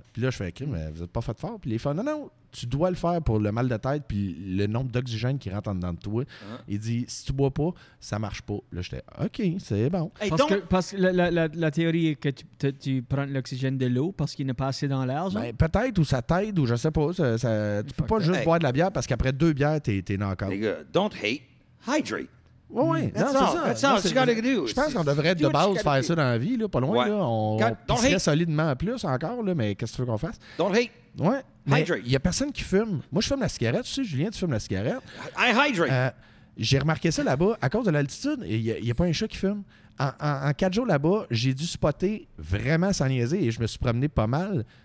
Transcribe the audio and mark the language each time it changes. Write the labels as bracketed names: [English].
[French] Puis là, je fais okay, mais vous êtes pas fait fort. Puis les fans, non. Tu dois le faire pour le mal de tête puis le nombre d'oxygène qui rentre en dedans de toi. Hein? Il dit, si tu bois pas, ça marche pas. Là, j'étais, OK, c'est bon. Hey, parce que la théorie est que tu prends l'oxygène de l'eau parce qu'il n'est pas assez dans l'air. Ben, peut-être, ou ça t'aide, ou je sais pas. Ça, tu peux pas juste boire de la bière parce qu'après deux bières, t'es dans le corps. Les gars, [English] don't hate, hydrate. [French] Ouais, je pense qu'on devrait être de base faire ça dans la vie, là, pas loin. Ouais. Là, on serait solidement en plus encore, là, mais qu'est-ce que tu veux qu'on fasse? [English] Don't hate. [French] Ouais. Mais hydrate. Il n'y a personne qui fume. Moi, je fume la cigarette. Tu sais, Julien, tu fumes la cigarette. [English] I hydrate. [French] J'ai remarqué ça là-bas. À cause de l'altitude, il n'y a pas un chat qui fume. En 4 jours là-bas, j'ai dû spotter vraiment sans niaiser et je me suis promené pas mal.